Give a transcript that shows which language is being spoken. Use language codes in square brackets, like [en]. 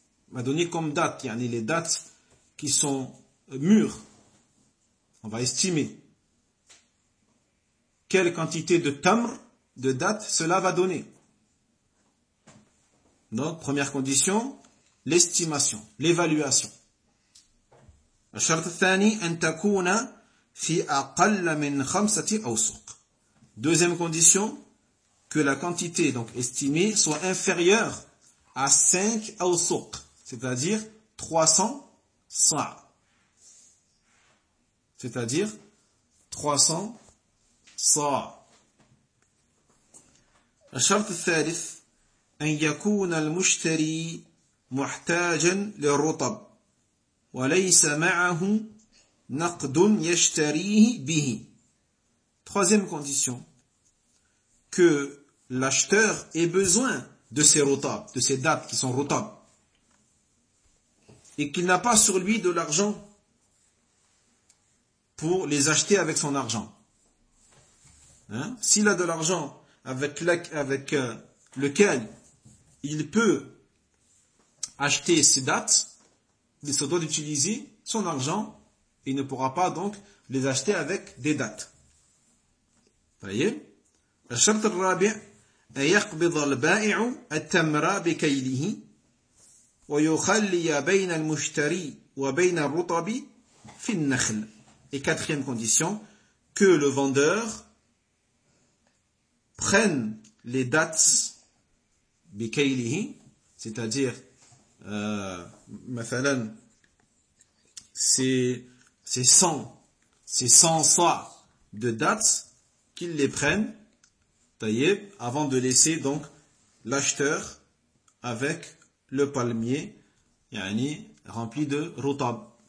[fr] Va donner comme date, il y en a les dates qui sont mûres. On va estimer quelle quantité de tamr, de date, cela va donner. Donc, première condition, l'estimation, l'évaluation. [ar] الشرط الثاني أن تكون في أقل من خمسة أوسق. [fr] Deuxième condition, que la quantité donc estimée soit inférieure à 5 أوسق, c'est-à-dire 300 صاع. C'est-à-dire 300 صاع. [ar] الشرط الثالث أن يكون المشتري محتاجا للرطب. وَلَيْسَ مَعَهُ نَقْدٌ يَشْتَرِيهِ بِهِ. [fr] Troisième condition, que l'acheteur ait besoin de ces rotables, de ces dates qui sont rotables, et qu'il n'a pas sur lui de l'argent pour les acheter avec son argent. S'il a de l'argent avec lequel il peut acheter ces dates, il se doit d'utiliser son argent et ne pourra pas donc les acheter avec des dates. Voyez. [ar] الشرط الرابع أن يقبض البائع التمر بكيله ويخلي بين المشتري وبين الرطب في النخل. [fr] Et quatrième condition, que le vendeur prenne les dates [ar] بكيله, [fr] c'est-à-dire [ar] مثلاً [fr] ces 100 soirs de dates, qu'ils les prennent, taillés, avant de laisser donc l'acheteur avec le palmier, yani, rempli de rotab.